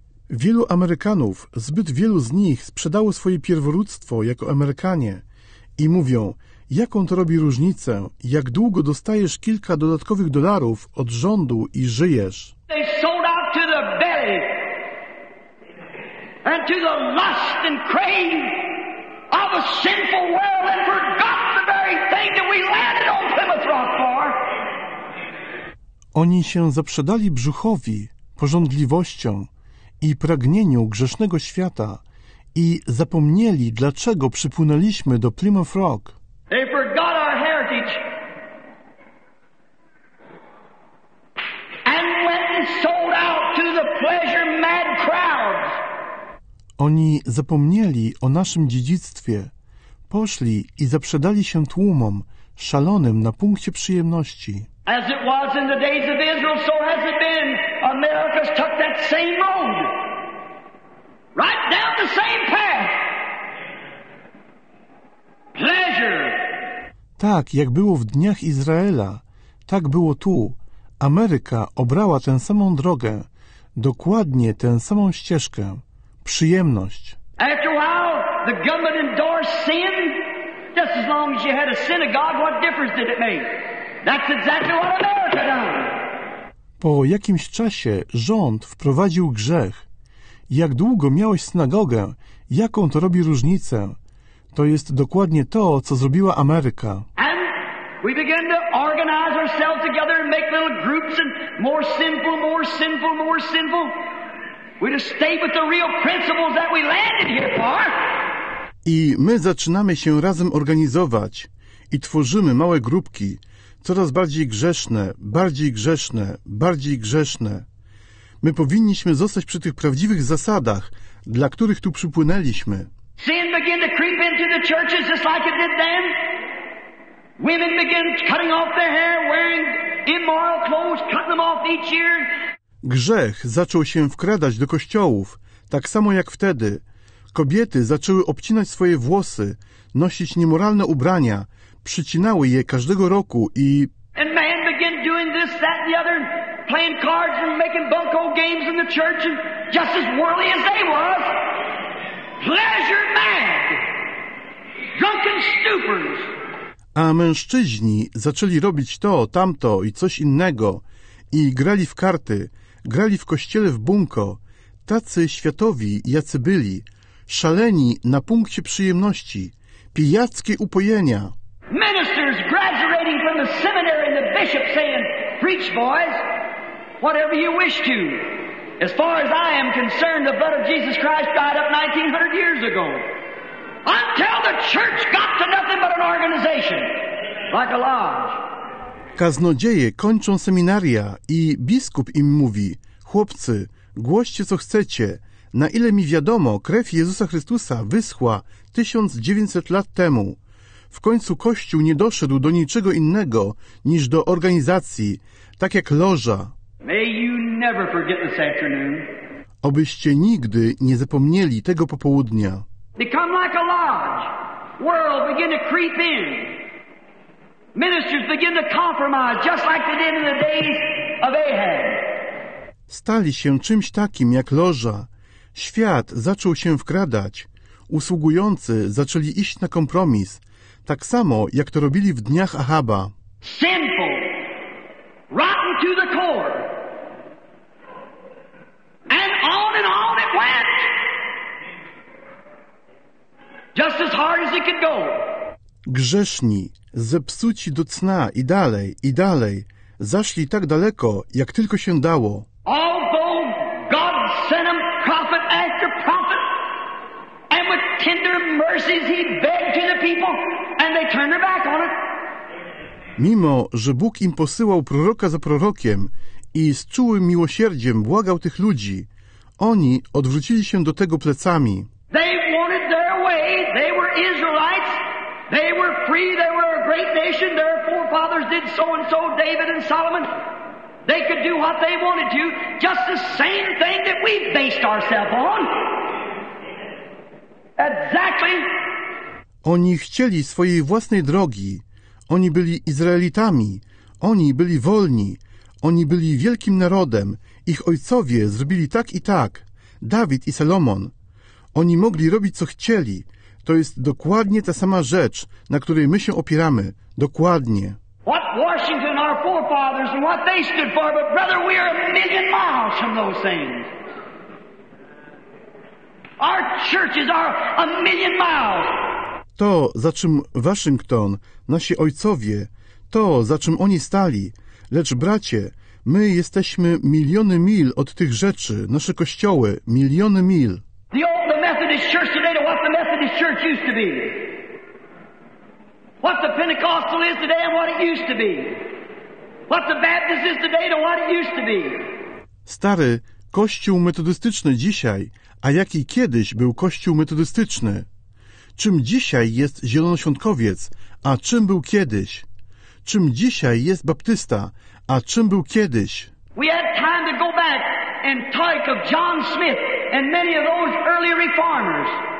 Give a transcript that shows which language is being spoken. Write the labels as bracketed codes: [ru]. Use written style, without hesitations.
[pl] Wielu Amerykanów, zbyt wielu z nich sprzedało swoje pierworództwo jako Amerykanie i mówią, jaką to robi różnicę, jak długo dostajesz kilka dodatkowych dolarów od rządu i żyjesz. [en] They sold out to the belly and to the lust and craving of a sinful world and forgot the very thing that we landed on Plymouth Rock for. [pl] Oni się zaprzedali brzuchowi, pożądliwością i pragnieniu grzesznego świata i zapomnieli, dlaczego przypłynęliśmy do Plymouth Rock. [en] They forgot our heritage and went and sold out to the pleasure mad crowds. [pl] Oni zapomnieli o naszym dziedzictwie, poszli i zaprzedali się tłumom szalonym na punkcie przyjemności. [en] As it was in the days of Israel, so has it been. America's took that same road. Right down the same path. Pleasure. [pl] Tak, jak było w dniach Izraela, tak było tu. Ameryka obrała tę samą drogę, dokładnie tę samą ścieżkę. Przyjemność. [en] After a while, the government endorsed sin. Just as long as you had a synagogue, what difference did it make? That's exactly what America done. [pl] Po jakimś czasie rząd wprowadził grzech. Jak długo miałeś synagogę, jaką to robi różnicę. To jest dokładnie to, co zrobiła Ameryka. [en] We begin to organize ourselves together and make little groups and more sinful, more sinful, more sinful. We just stay with the real principles that we landed here for. [pl] I my zaczynamy się razem organizować i tworzymy małe grupki, coraz bardziej grzeszne, bardziej grzeszne, bardziej grzeszne. My powinniśmy zostać przy tych prawdziwych zasadach, dla których tu przypłynęliśmy. [en] Sin began to creep into the churches just like it did then. Women began cutting off their hair, wearing immoral clothes, cutting them off each year. [pl] Grzech zaczął się wkradać do kościołów, tak samo jak wtedy. Kobiety zaczęły obcinać swoje włosy, nosić niemoralne ubrania, przycinały je każdego roku i... [en] And men began doing this, that, and the other, playing cards and making bunko games in the church, and just as worldly as they was. Pleasure mad, drunken stupors. [pl] A mężczyźni zaczęli robić to, tamto i coś innego i grali w karty, grali w kościele w bunko, tacy światowi, jacy byli, szaleni na punkcie przyjemności, pijackie upojenia. [en] Ministers graduating from the seminary and the bishop saying, preach boys, whatever you wish to. As far as I am concerned, the blood of Jesus Christ died up 1900 years ago. Until the church got to nothing but an organization, like a lodge. [pl] Kaznodzieje kończą seminaria i biskup im mówi, chłopcy, głoście co chcecie. Na ile mi wiadomo, krew Jezusa Chrystusa wyschła 1900 lat temu. W końcu Kościół nie doszedł do niczego innego niż do organizacji, tak jak loża. [en] May you never forget this afternoon. [pl] Obyście nigdy nie zapomnieli tego popołudnia. [en] Become like a lodge. World begin to creep in. Ministers begin to compromise, just like they did in the days of Ahab. [pl] Stali się czymś takim jak loża. Świat zaczął się wkradać. Usługujący zaczęli iść na kompromis, tak samo jak to robili w dniach Ahaba. [en] Sinful, rotten to the core. And on it went. Just as hard as it could go. [pl] Grzeszni, zepsuci do cna i dalej, zaszli tak daleko, jak tylko się dało. [en] Although God sent them prophet after prophet, and with tender mercies he begged to the people, and they turned their back on it. [pl] Mimo, że Bóg im posyłał proroka za prorokiem i z czułym miłosierdziem błagał tych ludzi, oni odwrócili się do tego plecami. [en] They wanted their way. They were Israelites. They were free. They were a great nation. Their forefathers did so and so, David and Solomon. They could do what they wanted to, just the same thing that we based ourselves on. Exactly. [pl] Oni chcieli swojej własnej drogi. Oni byli Izraelitami. Oni byli wolni. Oni byli wielkim narodem. Ich ojcowie zrobili tak i tak. Dawid i Salomon. Oni mogli robić, co chcieli. To jest dokładnie ta sama rzecz, na której my się opieramy. Dokładnie. [en] What Washington, our forefathers, and what they stood for, but brother, we are a million miles from those things. Our churches are a million miles. [pl] To, za czym Waszyngton, nasi ojcowie, to, za czym oni stali. Lecz bracie, my jesteśmy miliony mil od tych rzeczy, nasze kościoły, miliony mil. [en] The Methodist Church today to what the Methodist Church used to be. What the Pentecostal is today and what it used to be. What the Baptist is today to what it used to be. [pl] Stary, kościół metodystyczny dzisiaj, a jaki kiedyś był kościół metodystyczny? Czym dzisiaj jest zielonoświątkowiec, a czym był kiedyś? Czym dzisiaj jest baptysta, a czym był kiedyś? [en] We had time to go back and talk of John Smith and many of those early reformers.